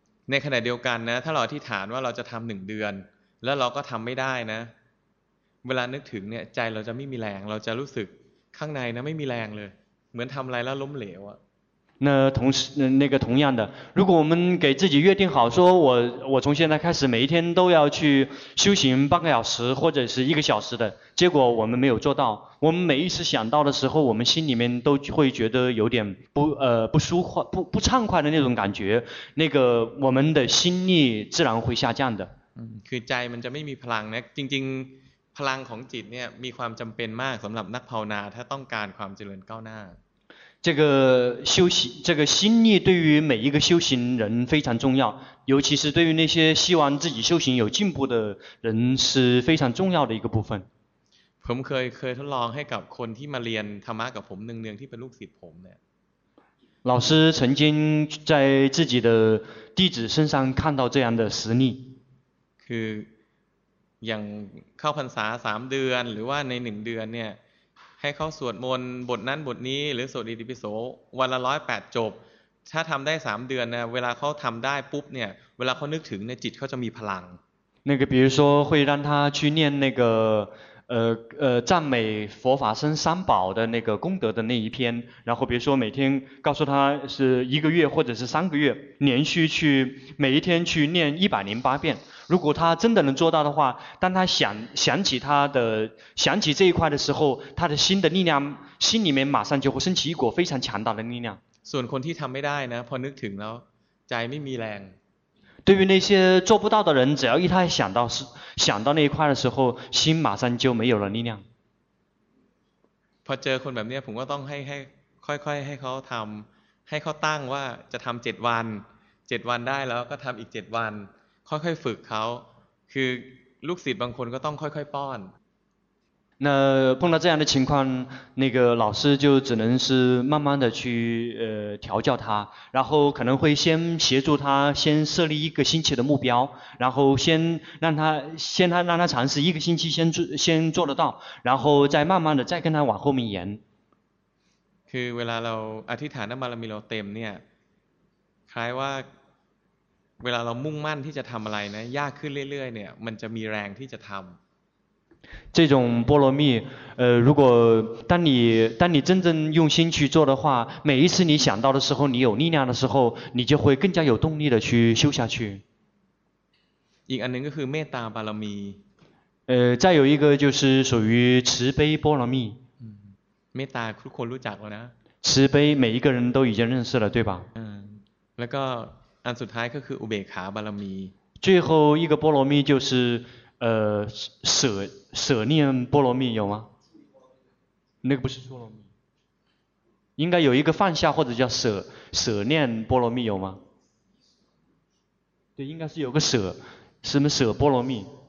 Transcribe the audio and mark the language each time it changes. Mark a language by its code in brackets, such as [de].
[th] ในขณะเดียวกันนะถ้าเราอธิษฐานว่าเราจะทำหนึ่งเดือนแล้วเราก็ทำไม่ได้นะเวลานึกถึงเนี่ยใจเราจะไม่มีแรงเราจะรู้สึกข้างในนะไม่มีแรงเลยเหมือนทำอะไรแล้วล้มเหลวอ่ะ [zh] 那同那个同样的如果我们给自己约定好说我从现在开始每一天都要去修行半个小时或者是一个小时的结果我们没有做到我们每一次想到的时候我们心里面都会觉得有点不舒服不畅快的那种感觉那个我们的心力自然会下降的 [th] คือใจมันจะไม่มีพลังนะจริงๆพลังของจิตเนี่ยมีความจำเป็นมากสำหรับนักภาวนาถ้าต้องการความเจริญก้าวหน้า [zh] 这个修行这个心力对于每一个修行人非常重要尤其是对于那些希望自己修行有进步的人是非常重要的一个部分 [th] ผมเคยทดลองให้กับคนที่มาเรียนธรรมะกับผมเนืองๆที่เป็นลูกศิษย์ผมเนี่ย [zh] 老师曾经在自己的弟子身上看到这样的实力 [th] คืออย่างเข้าพรรษา3เดือนหรือว่าใน1เดือนเนี่ยให้เขาสวดมนต์บทนั้นบทนี้หรือสวดอิติปิโสวันละ108จบ ถ้าทำได้3เดือนเนี่ยเวลาเขาทำได้ปุ๊บเนี่ยเวลาเขานึกถึงเนี่ยจิตเขาจะมีพลัง [zh] 那个比如说会让他去念那个赞美佛法僧三宝的那个功德的那一篇，然后比如说每天告诉他是一个月或者是三个月连续去每一天去念108遍，如果他真的能做到的话，当他想起这一块的时候，他的心的力量，心里面马上就会升起一股非常强大的力量。 [th] ส่วนคนที่ทำไม่ได้นะพอนึกถึงแล้วใจไม่มีแรง [zh] 对于那些做不到的人，只要一他想到那一块的时候，心马上就没有了力量。 [th] พอเจอคนแบบนี้ผมก็ต้องให้ค่อยๆให้เขาทำให้เขาตั้งว่าจะทำ7 วัน 7 วันได้แล้วก็ทำอีก7 วันค่อยๆฝึกเขาคือลูกศิษย์บางคนก็ต้องค่อยๆป้อน [zh] 那碰到这样的情况，那个老师就只能是慢慢的去调教他，然后可能会先协助他，先设立一个星期的目标，然后先让他尝试一个星期先做得到，然后再慢慢的再跟他往后面延。 [th] คือเวลาเราอธิษฐานบารมีเราเต็มเนี่ยคล้ายว่าเวลาเรามุ่งมั่นที่จะทำอะไรนะยากขึ้นเรื่อยๆเนี่ยมันจะมีแรงที่จะทำ [zh] 这种波罗蜜如果当你真正用心去做的话，每一次你想到的时候，你有力量的时候，你就会更加有动力的去修下去。 [th] อีกอันนึงก็คือเมตตาบารมี [zh] 再有一个就是属于慈悲波罗蜜。 [th] เมตตาทุกคนรู้จักแล้วนะ [zh] 慈悲每一个人都已经认识了对吧 [th] แล้วก็อันสุดท้ายก็คืออุเบกขาบารมี [zh] 最后一个波罗蜜就是舍念波罗蜜有吗？那个不是波罗蜜，应该有一个放下或者叫舍念波罗蜜有吗？对，应该是有个舍，什么舍波罗蜜？